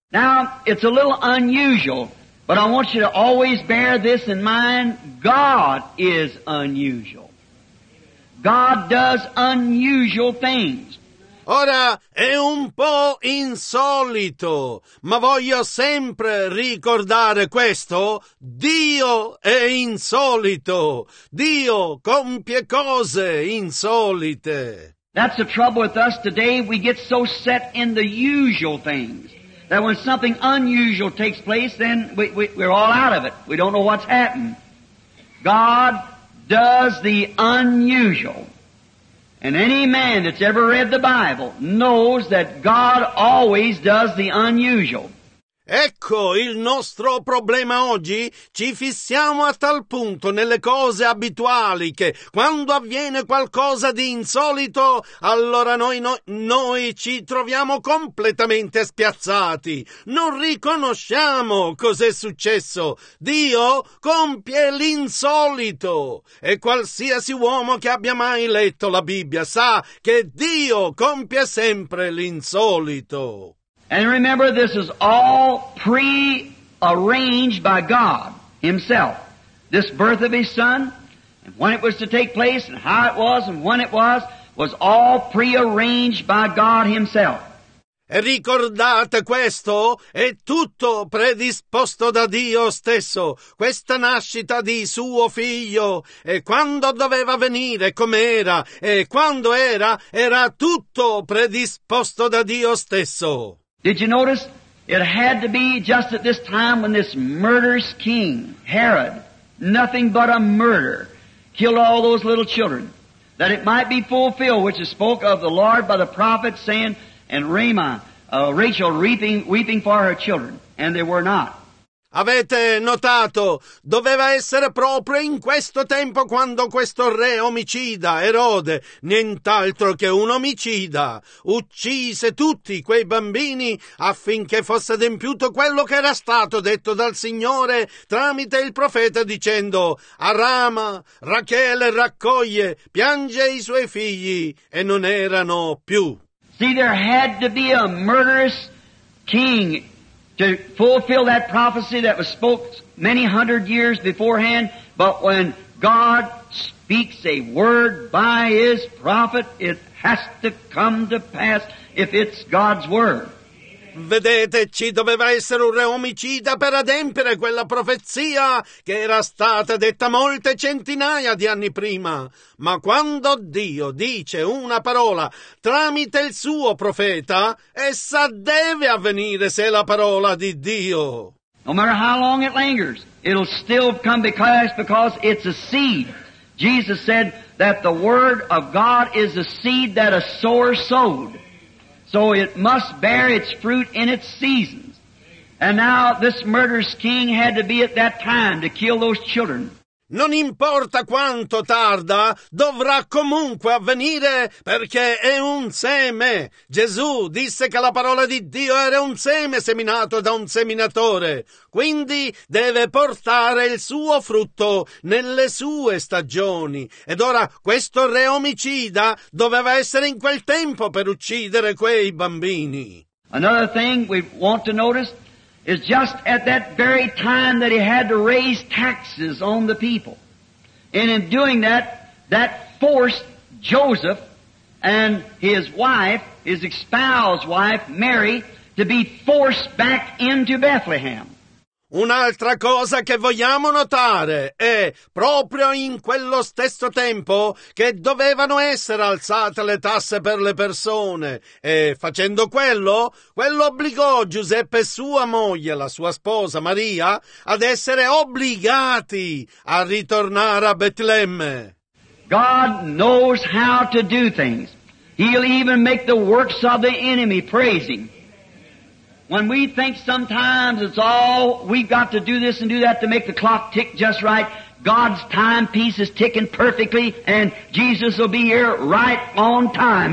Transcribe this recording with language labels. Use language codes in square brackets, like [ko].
[en] Now, it's a little unusual, but I want you to always bear this in mind. God is unusual. God does unusual things. [it] Ora, è un po' insolito, ma voglio sempre ricordare questo. Dio è insolito. Dio compie cose insolite. [en] That's the trouble with us today. We get so set in the usual things that when something unusual takes place, then we're all out of it. We don't know what's happened. God does the unusual. And any man that's ever read the Bible knows that God always does the unusual. [it] Ecco il nostro problema oggi. Ci fissiamo a tal punto nelle cose abituali che quando avviene qualcosa di insolito, allora noi ci troviamo completamente spiazzati. Non riconosciamo cos'è successo. Dio compie l'insolito. E qualsiasi uomo che abbia mai letto la Bibbia sa che Dio compie sempre l'insolito. [en] And remember, this is all pre-arranged by God Himself. This birth of His Son, and when it was to take place, and how it was, and when it was all pre-arranged by God Himself. [it] E ricordate questo, è tutto predisposto da Dio stesso, questa nascita di suo figlio, e quando doveva venire, com'era, e quando era tutto predisposto da Dio stesso. [en] Did you notice? It had to be just at this time when this murderous king, Herod, nothing but a murderer, killed all those little children, that it might be fulfilled, which is spoke of the Lord by the prophet, saying, and Rachel weeping for her children, and they were not. [it] Avete notato, doveva essere proprio in questo tempo quando questo re omicida, Erode, nient'altro che un omicida, uccise tutti quei bambini affinché fosse adempiuto quello che era stato detto dal Signore tramite il profeta dicendo: «Arama, Rachele raccoglie, piange i suoi figli, e non erano più». [en] See, there had to be a murderous king to fulfill that prophecy that was spoken many hundred years beforehand, but when God speaks a word by His prophet, it has to come to pass if it's God's word. [it] Vedete, ci doveva essere un re omicida per adempiere quella profezia che era stata detta molte centinaia di anni prima. Ma quando Dio dice una parola tramite il suo profeta, essa deve avvenire se è la parola di Dio. [en] No matter how long it lingers, it'll still come to pass because it's a seed. Jesus said that the word of God is a seed that a sower sowed. So it must bear its fruit in its seasons. And now this murderous king had to be at that time to kill those children. [it] Non importa quanto tarda, dovrà comunque avvenire perché è un seme. Gesù disse che la parola di Dio era un seme seminato da un seminatore, quindi deve portare il suo frutto nelle sue stagioni. Ed ora questo re omicida doveva essere in quel tempo per uccidere quei bambini. [en] Another thing we want to notice is just at that very time that he had to raise taxes on the people. And in doing that, that forced Joseph and his wife, his espoused wife, Mary, to be forced back into Bethlehem. [it] Un'altra cosa che vogliamo notare è proprio in quello stesso tempo che dovevano essere alzate le tasse per le persone e facendo quello obbligò Giuseppe e sua moglie, la sua sposa Maria, ad essere obbligati a ritornare a Betlemme. [en] God knows how to do things. He'll even make the works of the enemy praise him. When we think sometimes it's all we've got to do this and do that to make the clock tick just right, God's timepiece is ticking perfectly and Jesus will be here right on time.